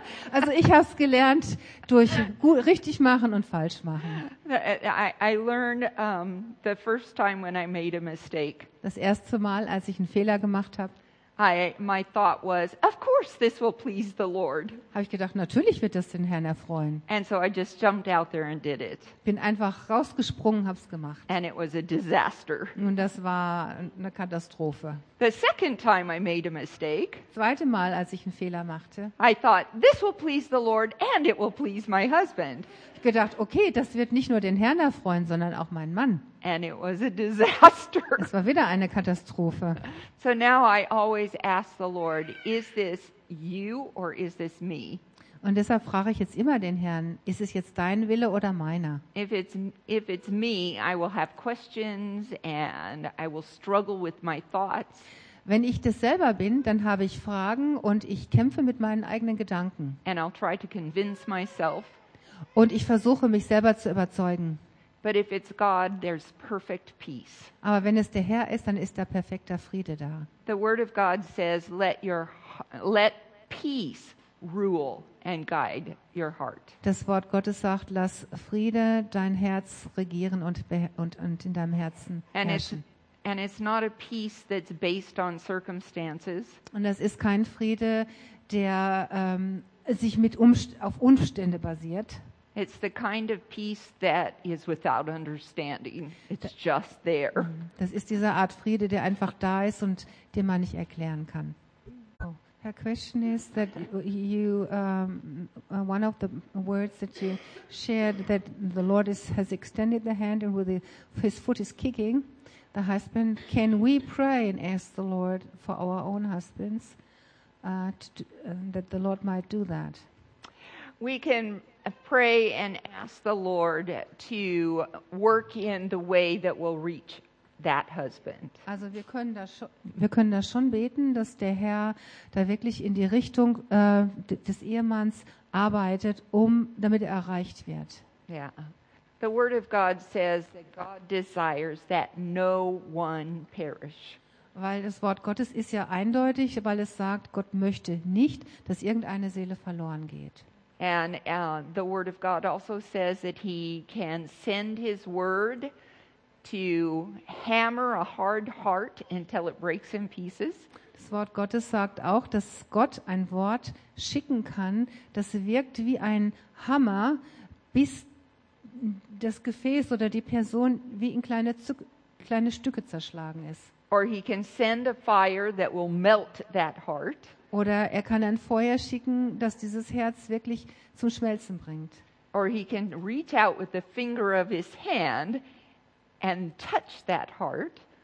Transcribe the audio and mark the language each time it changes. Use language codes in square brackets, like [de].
[de] Also ich habe es gelernt durch gut, richtig machen und falsch machen. [en] I learned the first time when I made a mistake. [de] Das erste Mal, als ich einen Fehler gemacht habe. [en] My thought was, of course this will please the Lord. [de] Habe ich gedacht, natürlich wird das den Herrn erfreuen. [en] And so I just jumped out there and did it. [de] Bin einfach rausgesprungen, habe es gemacht. [en] And it was a disaster. [de] Und das war eine Katastrophe. [en] The second time I made a mistake. [de] Zweite Mal, als ich einen Fehler machte. [en] I thought, this will please the Lord and it will please my husband. [de] Ich gedacht, okay, das wird nicht nur den Herrn erfreuen, sondern auch meinen Mann. [en] And it was a disaster. [de] Es war wieder eine Katastrophe. [en] So now I always ask the Lord, is this you or is this me? [de] Und deshalb frage ich jetzt immer den Herrn, ist es jetzt dein Wille oder meiner? [en] If it's me, I will have questions and I will struggle with my thoughts. [de] Wenn ich das selber bin, dann habe ich Fragen und ich kämpfe mit meinen eigenen Gedanken. [en] And I'll try to convince myself. [de] Und ich versuche mich selber zu überzeugen. [en] But if it's God, there's perfect peace. [de] Aber wenn es der Herr ist, dann ist da perfekter Friede da. [en] The word of God says, let peace rule and guide your heart. [de] Das Wort Gottes sagt, lass Friede dein Herz regieren und in deinem Herzen herrschen. [en] And it's not a peace that's based on circumstances. [de] Und das ist kein Friede, der sich mit auf Umstände basiert. [en] It's the kind of peace that is without understanding. It's just there. [de] Das ist diese Art Friede, der einfach da ist und den man nicht erklären kann. Oh. [en] Her question is that you one of the words that you shared that the Lord has extended the hand and with his foot is kicking the husband. Can we pray and ask the Lord for our own husbands that the Lord might do that? We can pray and ask the Lord to work in the way that will reach that husband. [de] Also wir können da schon beten, dass der Herr da wirklich in die Richtung des Ehemanns arbeitet, damit er erreicht wird. [en] Yeah. The word of God says that God desires that no one perish. [de] Weil das Wort Gottes ist ja eindeutig, weil es sagt, Gott möchte nicht, dass irgendeine Seele verloren geht. [en] And the word of God also says that he can send his word to hammer a hard heart until it breaks in pieces. [de] Das Wort Gottes sagt auch, dass Gott ein Wort schicken kann, das wirkt wie ein Hammer, bis das Gefäß oder die Person wie in kleine Stücke zerschlagen ist. [en] Or he can send a fire that will melt that heart. [de] Oder er kann ein Feuer schicken, das dieses Herz wirklich zum Schmelzen bringt. [en] Or he can reach out with the finger of his hand and touch that heart.